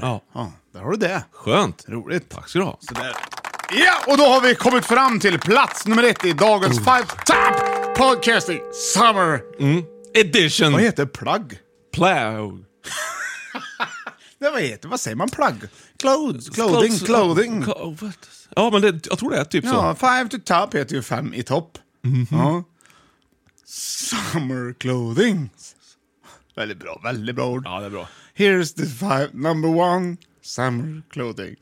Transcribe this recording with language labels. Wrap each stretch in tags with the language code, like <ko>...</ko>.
<sv>Ja. Ja, där har du det. Skönt. Roligt. Tack ska du ha. Så där. Ja, och då har vi kommit fram till plats nummer ett i dagens Five Top Podcasting Summer Edition. Vad heter plagg? Plagg. Nej, vad heter, vad säger man plagg?</sv> <en>Clothes, clothing, clothing.</en> <sv>Ja, men det, jag tror det är typ ja, så. Ja, Five to Top heter ju fem i topp. Mm-hmm.</sv> <en>Ja. Summer clothing.</en> <sv>Väldigt bra, väldigt bra ord. Ja, det är bra.</sv> <en>Here's the five, number one, summer clothing.</en>